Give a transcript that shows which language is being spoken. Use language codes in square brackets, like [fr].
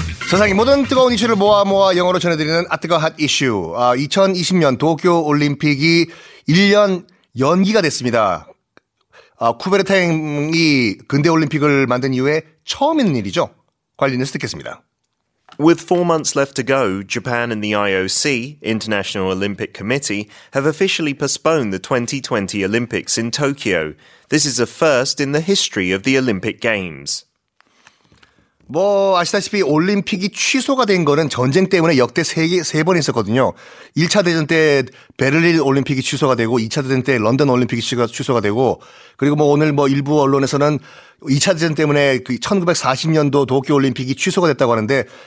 [ko] 세상의 모든 뜨거운 이슈를 모아 영어로 전해드리는 아뜨거 핫 이슈. 아, 2020년 도쿄올림픽이 1년 연기가 됐습니다. 아, 쿠베르탱이 근대올림픽을 만든 이후에 처음 있는 일이죠. 관련 뉴스 듣겠습니다. [en] With 4 months left to go, Japan and the IOC, International Olympic Committee, have officially postponed the 2020 Olympics in Tokyo. This is a first in the history of the Olympic Games. [ko] 뭐 아시다시피 올림픽이 취소가 된 거는 전쟁 때문에 역대 세 번 있었거든요. 1차 대전 때 베를린 올림픽이 취소가 되고 2차 대전 때 런던 올림픽이 취소가 되고 그리고 뭐 오늘 뭐 일부 언론에서는 2차 대전 때문에 그 1940년도 도쿄 올림픽이 취소가 됐다고 하는데